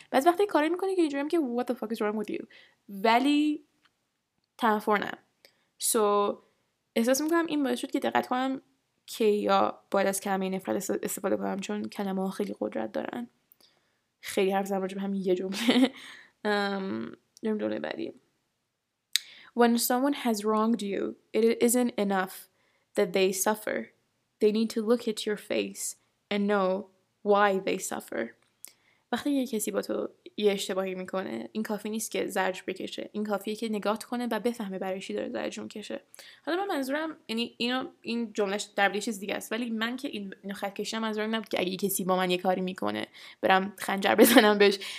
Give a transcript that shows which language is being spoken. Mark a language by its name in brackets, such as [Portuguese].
[Persian] بعد وقتی کاری میکنه که اینجوری که [English] what the fuck is wrong with you. [Persian] ولی تنفر نه. So احساس میکنم این باعث شد که دقت کنم که یا باید از کلمه نفرت استفاده کنم، چون کلمه ها خیلی قدرت دارن. خیلی حرف زدم راجع به همین یه جمله. جمله بعدی. [English] When someone has wronged you, it isn't enough that they suffer. They need to look at your face and know why they suffer. [Persian] وقتی یه کسی با تو یه اشتباهی میکنه، این کافی نیست که زرج بکشه. این کافیه که نگاهت کنه و بفهمه برای چی داره زرج میکشه. حالا من منظورم این جملهش در بلیش دیگه است. ولی من که اینو خط کشیدم منظورم نبود که اگه یه کسی با من یه کاری میکنه برم خنجر بزنم بهش.